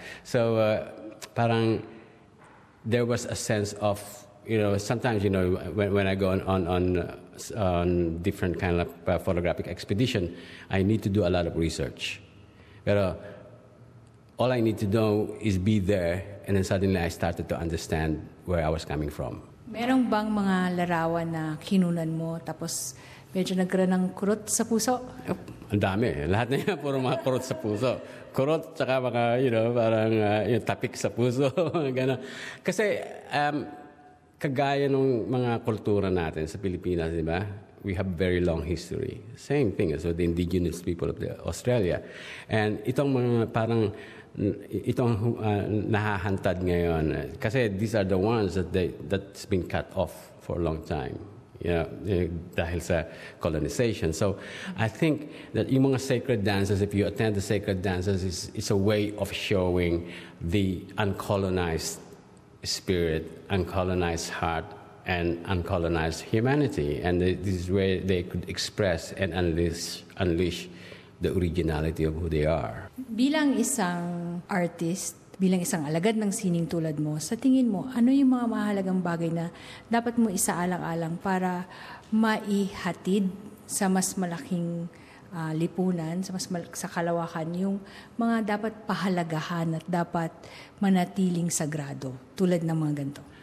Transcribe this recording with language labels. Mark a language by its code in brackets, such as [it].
[en] So, parang there was a sense of, you know, sometimes, you know, when I go on different kind of photographic expedition, I need to do a lot of research. Pero all I need to know is be there, and then suddenly I started to understand where I was coming from. [tl] Merong bang mga larawan na kinunan mo tapos medyo nagkaroon ng kurot sa puso? Ang dami. Lahat na yan, puro mga kurot sa puso. Kurot, tsaka mga, [en] you know, [tl] parang yung tapik sa puso. Ganun. Kasi, kagaya ng mga kultura natin sa Pilipinas, di ba? [en] We have very long history. Same thing as with the indigenous people of the Australia. And [tl] itong mga parang itong nahahantad ngayon kasi [en] these are the ones that's been cut off for a long time, you know, [tl] dahil sa [en] colonization. So I think that [tl] yung mga [en] sacred dances, if you attend the sacred dances, it's a way of showing the uncolonized spirit, uncolonized heart, and uncolonized humanity. And this is where they could express and unleash the originality of who they are. [tl] Bilang isang artist, bilang isang alagad ng sining tulad mo, sa tingin mo, ano yung mga mahalagang bagay na dapat mo isaalang-alang para maihatid sa mas malaking lipunan, sa kalawakan, yung mga dapat pahalagahan at dapat manatiling sagrado tulad ng mga ganito.